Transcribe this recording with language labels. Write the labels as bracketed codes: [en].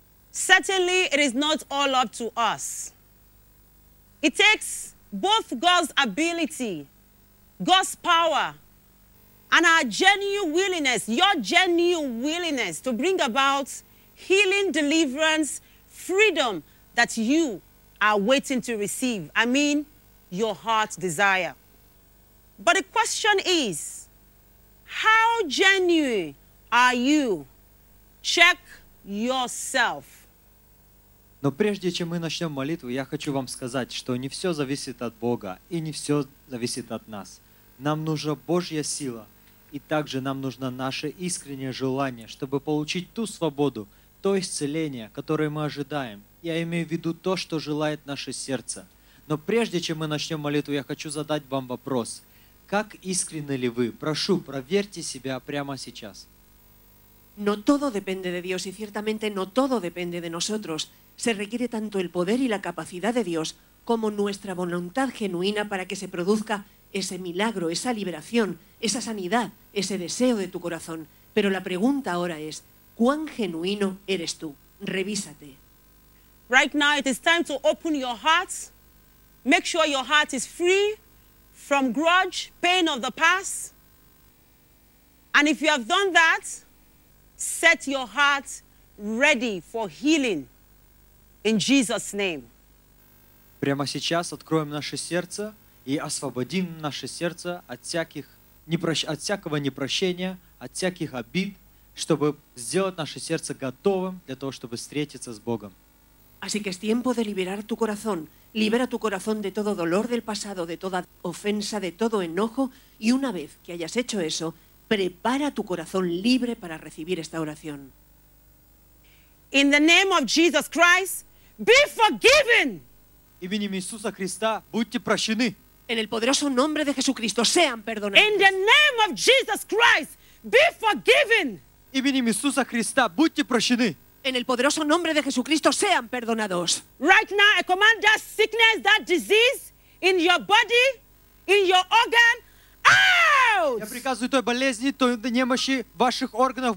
[en] Certainly, it is not all up to us. It takes both God's ability, God's power, and our genuine willingness, your genuine willingness to bring about healing, deliverance, freedom that you are waiting to receive. I mean, your heart's desire. But the question is, how genuine are you? Check yourself. [ru] Но прежде чем мы начнем молитву, я хочу вам сказать, что не все зависит от Бога и не все зависит от нас. Нам нужна Божья сила, и также нам нужно наше искреннее желание, чтобы получить ту свободу, то исцеление, которое мы ожидаем. Я имею в виду то, что желает наше сердце. Но прежде чем мы начнем молитву, я хочу задать вам вопрос. Как искренны ли вы? Прошу, проверьте себя прямо сейчас. [es] No todo depende de Dios y ciertamente no todo depende de nosotros. Se requiere tanto el poder y la capacidad de Dios como nuestra voluntad genuina para que se produzca ese milagro, esa liberación, esa sanidad, ese deseo de tu corazón. Pero la pregunta ahora es, ¿cuán genuino eres tú? Revísate. [en] Right now it is time to open your hearts. Make sure your heart is free from grudge, pain of the past. And if you have done that, set your heart ready for healing in Jesus' name. [ru] Прямо сейчас откроем наше сердце и освободим наше сердце от всякого непрощения, от всяких обид, чтобы сделать наше сердце готовым для того, чтобы встретиться с Богом. [es] Así que es tiempo de liberar tu corazón. Libera tu corazón de todo dolor del pasado, de toda ofensa, de todo enojo, y una vez que hayas hecho eso, prepara tu corazón libre para recibir esta oración. [en] In the name of Jesus Christ, be forgiven. [ru] Именем Иисуса Христа будьте прощены. [es] En el poderoso nombre de Jesucristo sean perdonados. [en] In the name of Jesus Christ, be forgiven. [ru] Именем Иисуса Христа будьте прощены. [es] En el poderoso nombre de Jesucristo sean perdonados. [en] Right now I command that sickness, that disease in your body, in your organ. Out! [ru] Я приказываю той болезни, той немощи ваших органов.